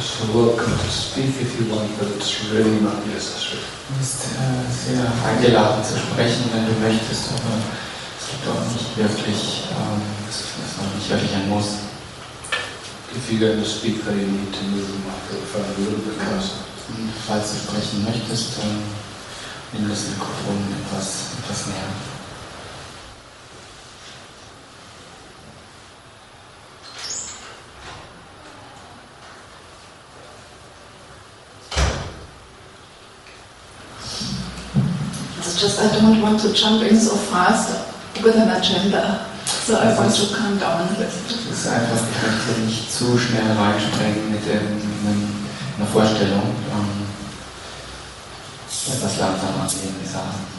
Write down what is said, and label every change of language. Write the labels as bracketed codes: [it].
[en] Welcome to speak if you want, but it's really not necessary. [de] Du bist sehr eingeladen zu sprechen, wenn du möchtest, aber es gibt auch nicht wirklich, es ist auch nicht wirklich ein Muss. [en] If you're going to speak, then you need to move the microphone a little bit closer. [de] Und falls du sprechen möchtest, nimm das Mikrofon etwas näher. [en] I don't want to jump in so fast with an agenda, so I want to calm down a little. [de] Es ist einfach, ich möchte nicht zu schnell reinspringen mit einer Vorstellung. Etwas langsamer sehen, die Sache.